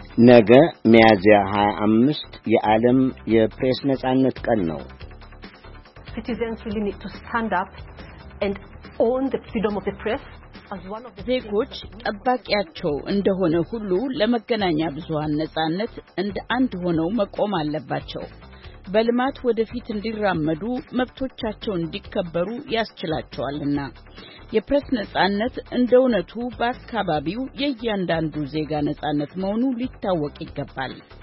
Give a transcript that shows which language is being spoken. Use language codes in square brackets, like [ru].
[am] ነገ ሚያዝያ 25 የዓለም የፕሬስ ነጻነት ቀን ነው። [en] Citizens really need to stand up and own the freedom of the press. [am] ዜጎች ጠባቂያቸው እንደሆነ ሁሉ ለመገናኛ ብዙሃን ነጻነት እንደ አንድ ሆነው መቆም አለባቸው። በልማት ወደፊት እንዲራመዱ መብቶቻቸው እንዲከበሩ ያስችላቸዋልና የፕሬስ ነጻነት እንደውነቱ በአካባቢው የእያንዳንዱ ዜጋ ነጻነት መሆኑ ሊታወቅ ይገባል።